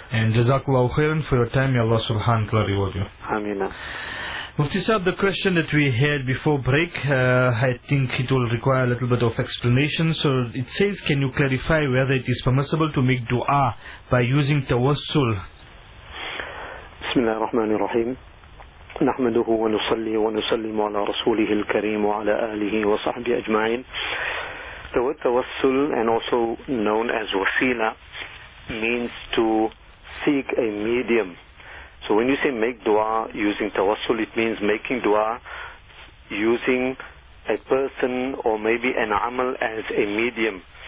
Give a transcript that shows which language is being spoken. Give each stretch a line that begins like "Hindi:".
English: And jazakallahu khairan for your time. May Allah subhanahu wa reward you. Ameen. Mufti Sahab, the question that we had before break, I think it will require a little bit of explanation. So it says, can you clarify whether it is permissible to make dua by using tawassul?
Arabic: بسم الله الرحمن الرحيم نحمده ونصلي ونسلم على رسوله الكريم وعلى آله وصحبه أجمعين.
English: The word tawassul, and also known as wasila, means to seek a medium. So when you say make dua using tawassul, it means making dua using a person or maybe an amal as a medium.